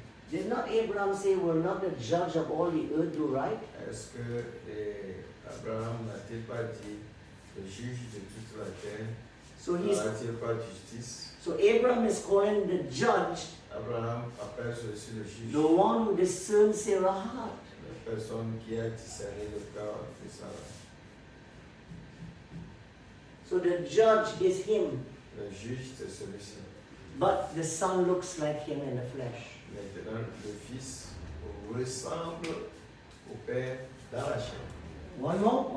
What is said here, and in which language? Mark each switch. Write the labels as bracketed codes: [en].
[en] Did not Abraham say, will not the judge of all the earth do right? [fr] Est-ce que Abraham n'a-t-il pas dit, le juge de toute la terre? [en] So he's. So Abraham is calling the judge. [fr] Abraham appelle ceci le juge. [en] The one who discerns Sarah's heart. [fr] La personne qui a discerné le cœur de Sarah. [en] So the judge is him. [fr] Le juge c'est celui-ci. [en] But the son looks like him in the flesh. [fr] Maintenant le fils ressemble au père dans la chair.